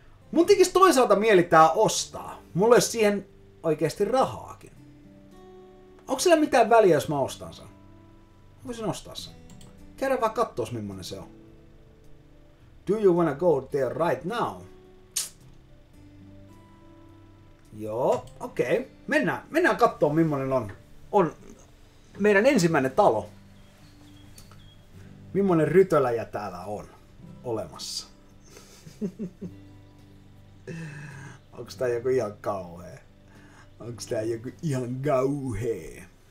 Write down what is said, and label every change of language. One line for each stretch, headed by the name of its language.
Finnish: Mun tekis toisaalta mieli tää ostaa. Mulla ei siihen oikeesti rahaakin. Onko sillä mitään väliä, jos mä ostan sen? Voisin ostaa sen. Käydään vaan kattoos, millainen se on.
English: Do you wanna go there right now?
Finnish: Joo, okei. Okay. Mennään kattoo, millainen on meidän ensimmäinen talo. Millainen rytöläjä täällä on olemassa. Onks tää joku ihan kauhee? Onks tää joku ihan kauhee?